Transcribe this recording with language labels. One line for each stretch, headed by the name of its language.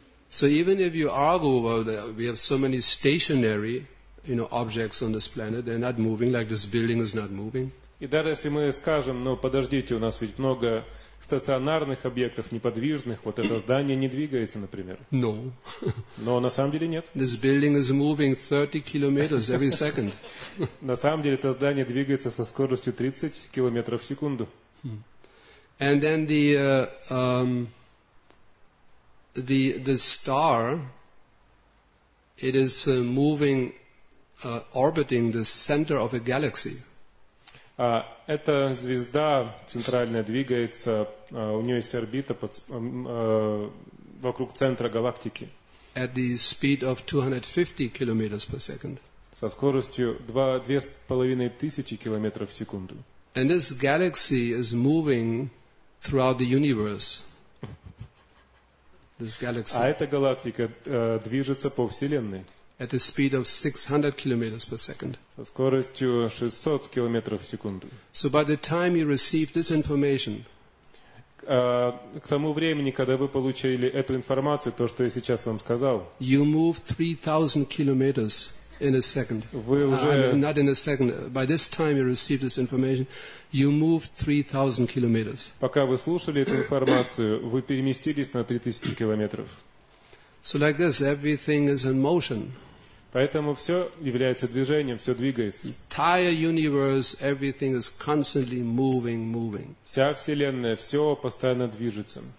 English: So even if you argue about that, we have so many stationary, you know, objects on this planet, they're not moving, like this building is not moving.
Russian: И даже если мы скажем, ну подождите, у нас ведь много стационарных объектов, неподвижных, вот это здание не двигается, например.
English: No.
Russian: Но на самом деле нет.
English: This building is moving 30 kilometers every second.
Russian: На самом деле это здание двигается со скоростью 30 километров в секунду.
English: And then the star, it is moving, orbiting the center of a galaxy.
Russian: Эта звезда центральная двигается, у нее есть орбита под, вокруг центра галактики.
English: At the speed of 250 kilometers per second.
Russian: Со скоростью 2500 километров в секунду.
English: And this galaxy is moving throughout the universe. This galaxy.
Russian: А эта галактика движется по Вселенной.
English: At a speed of 600 kilometers per second.
Russian: Со скоростью 600 километров в секунду.
English: So by the time you receive this information,
Russian: к тому времени, когда вы получили эту информацию, то, что я сейчас вам сказал,
English: you move 3,000 kilometers in a second.
Russian: Вы уже
English: not in a second. By this time you receive this information, you move 3,000 kilometers.
Russian: Пока вы слушали эту информацию, вы переместились на 3,000 километров.
English: So like this, everything is in motion.
Russian: Поэтому все является движением, все двигается.
English: Entire universe, everything is constantly moving, moving.
Russian: Вся вселенная, все постоянно движется.